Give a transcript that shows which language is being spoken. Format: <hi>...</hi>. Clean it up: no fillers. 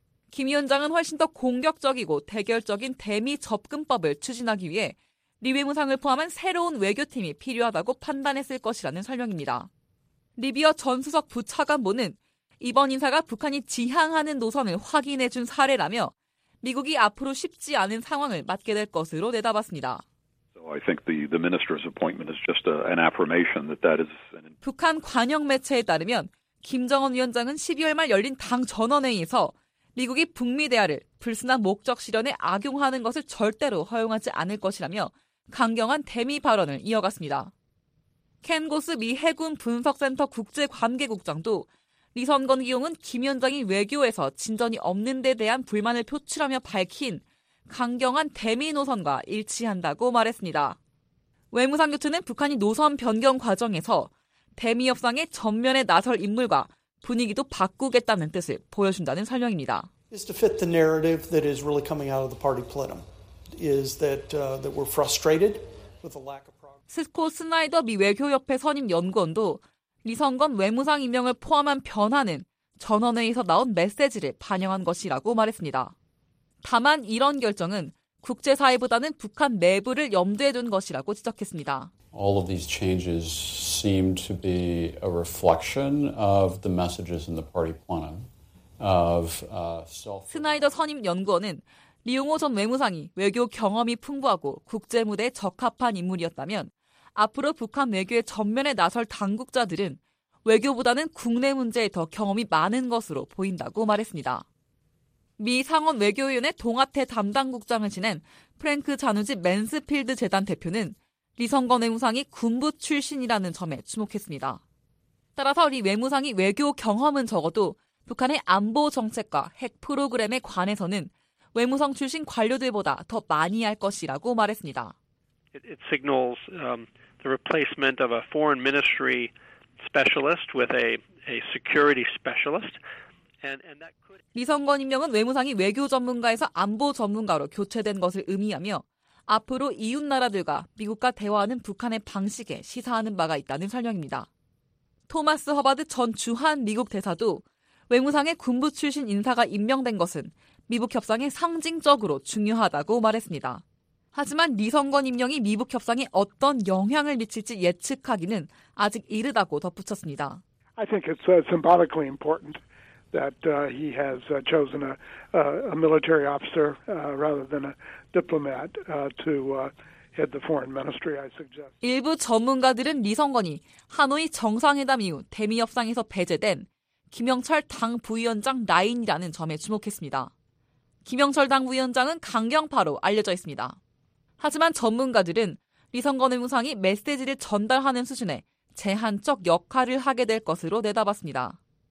<ko>김 위원장은 훨씬 더 공격적이고 대결적인 대미 접근법을 추진하기 위해 리 외무상을 포함한 새로운 외교팀이 필요하다고 판단했을 것이라는 설명입니다. 리비어 전 수석 부차관보는 이번 인사가 북한이 지향하는 노선을 확인해 준 사례라며 미국이 앞으로 쉽지 않은 상황을 맞게 될 것으로 내다봤습니다.</ko> <en>So I think the minister's appointment is just an affirmation that that is an</en> <ko>북한 관영 매체에 따르면 김정은 위원장은 12월 말 열린 당 전원회의에서 미국이 북미 대화를 불순한 목적 실현에 악용하는 것을 절대로 허용하지 않을 것이라며 강경한 대미 발언을 이어갔습니다. 켄 고스 미 해군 분석센터 국제관계국장도 리선건 기용은 김 위원장이 외교에서 진전이 없는 데 대한 불만을 표출하며 밝힌 강경한 대미 노선과 일치한다고 말했습니다. 외무상 교체는 북한이 노선 변경 과정에서 대미 협상에 전면에 나설 인물과 분위기도 바꾸겠다는 뜻을 보여준다는 설명입니다.</ko> <en>It's to fit the narrative that is really coming out of the party plenum is that we're frustrated with the lack of</en> <ko>스콧 스나이더 미 외교협회 선임연구원도 리선건 외무상 임명을 포함한 변화는 전원회의에서 나온 메시지를 반영한 것이라고 말했습니다. 다만 이런 결정은 국제사회보다는 북한 내부를 염두에 둔 것이라고 지적했습니다.</ko> <en>All of these changes seem to be a reflection of the messages in the party plenum of self.</en> <ko>스나이더 선임연구원은 리용호 전 외무상이 외교 경험이 풍부하고 국제 무대에 적합한 인물이었다면 앞으로 북한 외교에 전면에 나설 당국자들은 외교보다는 국내 문제에 더 경험이 많은 것으로 보인다고 말했습니다. 미 상원 외교위원회 동아태 담당 국장을 지낸 프랭크 자누지 맨스필드 재단 대표는 리성건 외무상이 군부 출신이라는 점에 주목했습니다. 따라서 리 외무상이 외교 경험은 적어도 북한의 안보 정책과 핵 프로그램에 관해서는 외무성 출신 관료들보다 더 많이 할 것이라고 말했습니다.</ko> <en>It signals the replacement of a foreign ministry specialist with a security specialist.</en> <ko>리성건 임명은 외무상이 외교 전문가에서 안보 전문가로 교체된 것을 의미하며 앞으로 이웃 나라들과 미국과 대화하는 북한의 방식에 시사하는 바가 있다는 설명입니다. 토마스 허바드 전 주한 미국 대사도 외무상의 군부 출신 인사가 임명된 것은 미북 협상에 상징적으로 중요하다고 말했습니다. 하지만 리성건 임명이 미북 협상에 어떤 영향을 미칠지 예측하기는 아직 이르다고 덧붙였습니다.</ko> <en>I think it's symbolically important. That he has chosen a military officer rather than a diplomat to head the foreign ministry. I suggest.</en> <ko>일부 전문가들은 리성건이 하노이 정상회담 이후 대미 협상에서 배제된 김영철 당 부위원장 라인이라는 점에 주목했습니다. 김영철 당 부위원장은 강경파로 알려져 있습니다. 하지만 전문가들은 리성건 외무상이 메시지를 전달하는 수준의 제한적 역할을 하게 될 것으로 내다봤습니다.</ko>